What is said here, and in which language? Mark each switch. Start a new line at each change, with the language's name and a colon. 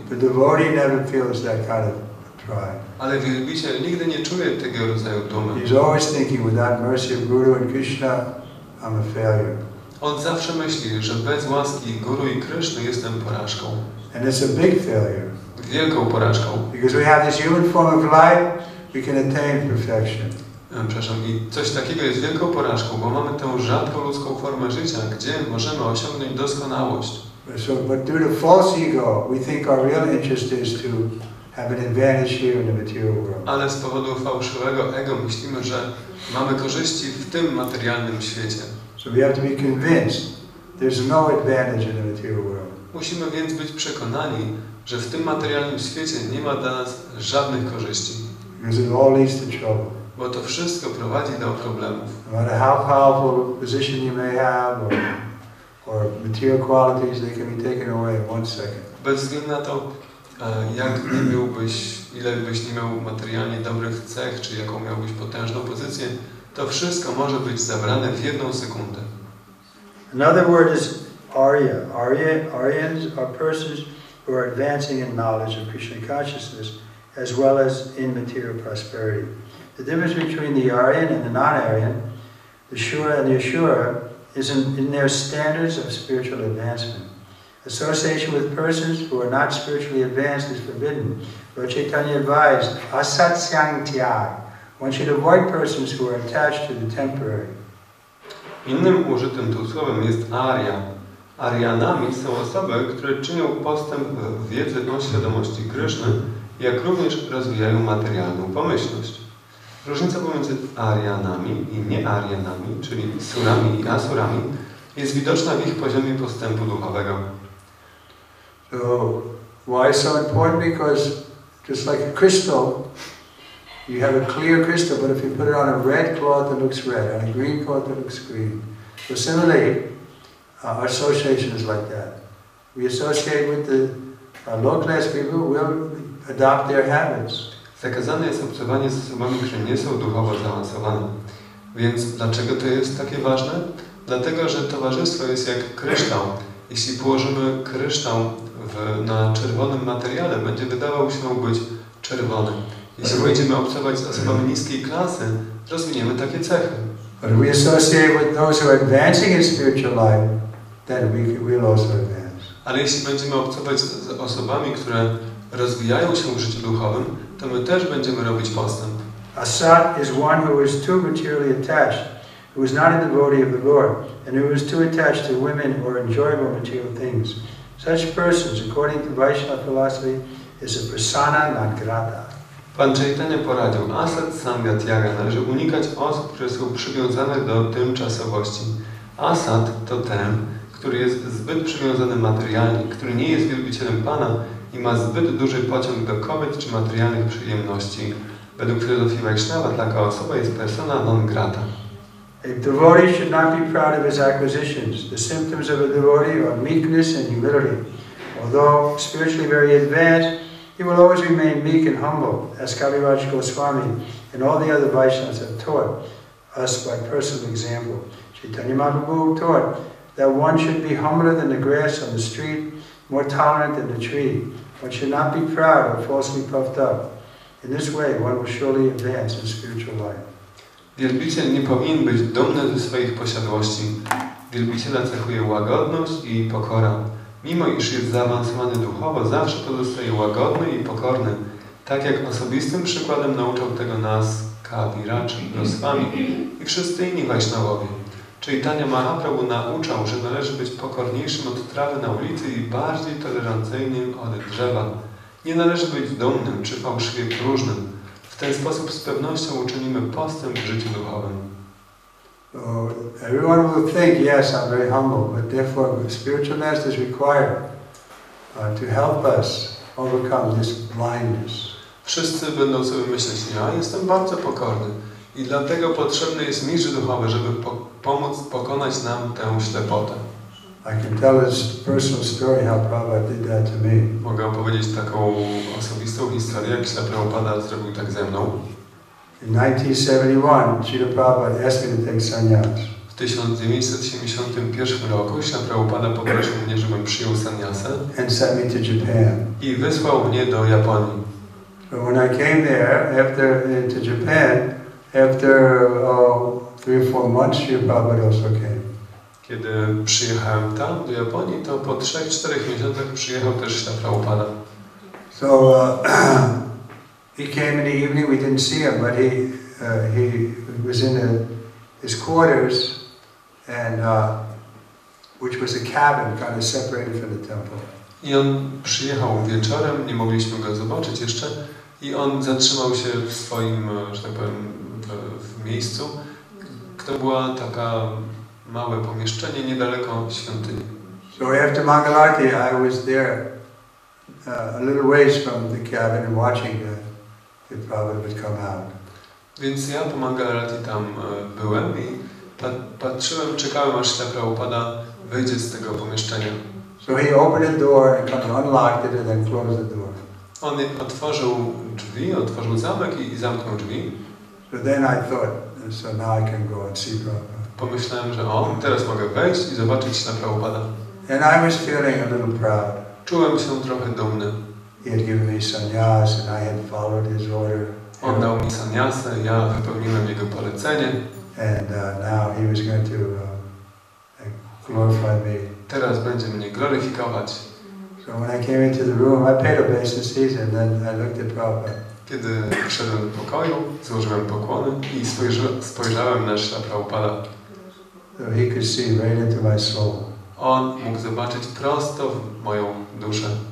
English: The devotee never feels that kind of pride.
Polish: Ale wielbiciel nigdy nie czuje tego rodzaju dumy.
English: He's always thinking, without mercy of Guru and Krishna, I'm a failure.
Polish: On zawsze myśli, że bez łaski Guru i Kryszny jestem porażką.
English: And it's a big failure.
Polish: Wielką porażką.
English: Because we have this human form of life, we can attain perfection.
Polish: Przepraszam, i coś takiego jest wielką porażką, bo mamy tę rzadką ludzką formę życia, gdzie możemy osiągnąć doskonałość.
English: But due to false ego, we think our real interest is to have an advantage here in the material world.
Polish: Ale z powodu fałszywego ego myślimy, że mamy korzyści w tym materialnym świecie.
English: So we have to be convinced there's no advantage in the material world.
Polish: Musimy więc być przekonani, że w tym materialnym świecie nie ma dla nas żadnych korzyści.
English: Because it all leads to trouble.
Polish: Bo to wszystko prowadzi do problemów.
English: No matter how powerful a position you may have, or material qualities, they can be taken away in one second.
Polish: Bez względu na to, jak nie miałbyś, ile byś nie miał materialnie dobrych cech, czy jaką miałbyś potężną pozycję, to wszystko może być zabrane w jedną sekundę.
English: Another word is Arya. Aryans are persons who are advancing in knowledge of Krishna consciousness as well as in material prosperity. The difference between the Aryan and the non-Aryan, the Shura and the Asura, is in their standards of spiritual advancement. Association with persons who are not spiritually advanced is forbidden. Lord Chaitanya advised,
Sanskrit: asat syang tyag.
English: One should avoid persons who are attached to the temporary.
Polish: Innym użytym tu słowem jest Arya. Aryanami są osoby, które czynią postęp w wiedzy o świadomości Kryszny, jak również rozwijają materialną pomyślność. Różnica pomiędzy Aryanami i nie-Aryanami, czyli Surami i Asurami, jest widoczna w ich poziomie postępu duchowego.
English: So, why so important? Because just like a crystal, you have a clear crystal, but if you put it on a red cloth, it looks red, on a green cloth, it looks green. So similarly, our association is like that. We associate with the low-class people, we'll adopt their habits.
Polish: Zakazane jest obcowanie z osobami, które nie są duchowo zaawansowane. Więc dlaczego to jest takie ważne? Dlatego, że towarzystwo jest jak kryształ. Jeśli położymy kryształ na czerwonym materiale, będzie wydawał się być czerwony. Jeśli będziemy obcować z osobami niskiej klasy, rozwiniemy takie cechy.
English: But if we associate with those who are advancing in spiritual life, then we will also advance.
Polish: Ale jeśli będziemy obcować z osobami, które rozwijają się w życiu duchowym, to my też będziemy robić postęp.
English: Asat is one who is too materially attached, who is not a devotee of the Lord, and who is too attached to women or enjoyable material things. Such persons, according to Vaishnava philosophy, is a persona non grata.
Polish: Pan Chaitanya poradził,
Sanskrit: asat sangha tyaga,
Polish: należy unikać osób, które są przywiązane do tymczasowości. Asat to ten, który jest zbyt przywiązany materialnie, który nie jest wielbicielem Pana i ma zbyt duży pociąg do kobiet czy materialnych przyjemności. Według filozofii Vaishnava taka osoba jest persona non grata.
English: A devotee should not be proud of his acquisitions. The symptoms of a devotee are meekness and humility. Although spiritually very advanced, he will always remain meek and humble, as Kaviraj Goswami and all the other Vaishnavas have taught us by personal example. Chaitanya Mahaprabhu taught that one should be humbler than the grass on the street, more tolerant than the tree. One should not be proud or falsely puffed up. In this way, one will surely advance in spiritual life.
Polish: Wielbiciel nie powinien być dumny ze swoich posiadłości. Wielbiciela cechuje łagodność i pokora. Mimo iż jest zaawansowany duchowo, zawsze pozostaje łagodny i pokorny. Tak jak osobistym przykładem nauczał tego nas Kaviraj Goswami i wszyscy inni Vaishnavowie. Chaitanya Mahaprabhu nauczał, że należy być pokorniejszym od trawy na ulicy i bardziej tolerancyjnym od drzewa. Nie należy być dumnym czy fałszywie próżnym. W ten sposób z pewnością uczynimy postęp w życiu duchowym.
English: So, everyone will think, yes, I'm very humble, but therefore the spiritual master is required to help us overcome this blindness.
Polish: Wszyscy będą sobie myśleć, ja jestem bardzo pokorny i dlatego potrzebny jest mistrz duchowy, żeby pomóc pokonać nam tę ślepotę.
English: I can tell a personal story how Prabhupada did that to me.
Polish: Mogę opowiedzieć taką osobistą historię, jak ślepy Prabhupada zrobił tak ze mną.
English: In 1971, Śrīla Prabhupada asked me to take sannyas.
Polish: W 1971 roku ślepy Prabhupada poprosił mnie, żebym przyjął sannyasę.
English: And sent me to Japan.
Polish: I wysłał mnie do Japonii.
English: But when I came there, after three or four months, Śrīla Prabhupada also came.
Polish: Kiedy przyjechałem tam do Japonii, to po 3-4 miesiącach przyjechał też ślepy Prabhupada.
English: So he came in the evening, we didn't see him, but he was in his quarters and which was a cabin kind of separated from the temple.
Polish: I on przyjechał wieczorem, nie mogliśmy go zobaczyć jeszcze i on zatrzymał się w swoim, że tak powiem, w miejscu. To była taka małe pomieszczenie niedaleko świątyni.
English: So after Mangalarti, I was there a little ways from the cabin and watching the Prabhupada would come out.
Polish: Więc ja po Mangalarti tam byłem i patrzyłem, czekałem, aż ślepy Prabhupada wyjdzie z tego pomieszczenia.
English: So he opened the door and kind of unlocked it and then closed the door.
Polish: On otworzył drzwi, otworzył zamek i zamknął drzwi.
English: So then I thought, so now I can go and see Prabhupada.
Polish: Pomyślałem, że o, teraz mogę wejść i zobaczyć się na Prabhupada.
English: And I was feeling a little proud.
Polish: Czułem się trochę dumny.
English: He had given me sannyas and I had followed his order.
Polish: On dał mi sannyasę, ja wypełniłem jego polecenie.
English: And now he was going to glorify me.
Polish: Teraz będzie mnie gloryfikować.
English: So when I came into the room, I paid obeisances and then I looked at Prabhupada.
Polish: Kiedy wszedłem do pokoju, złożyłem pokłony i spojrzałem na ślepego Prabhupada.
English: He could see right into my soul.
Polish: On mógł zobaczyć prosto w moją duszę.